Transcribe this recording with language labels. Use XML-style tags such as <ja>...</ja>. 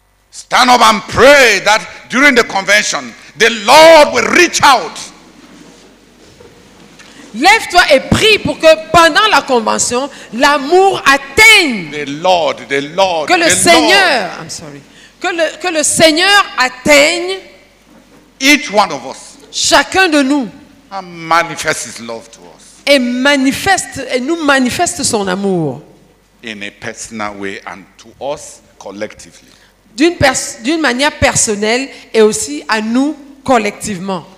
<en>Stand up and pray that during the convention, the Lord will reach out.</en> <fr>Lève-toi et prie pour que pendant la convention, l'amour atteigne.</fr> <en>The Lord.</en> <fr>Que le Seigneur,</fr> <en>I'm sorry.</en> <fr>Que le Seigneur atteigne.</fr> <en>Each one of us.</en> <fr>Chacun de nous.</fr> <en>And manifest his love to us.</en> <fr>Et nous manifeste son amour.</fr> <en>In a personal way and to us collectively.</en> <fr>D'une manière personnelle et aussi à nous collectivement.</fr>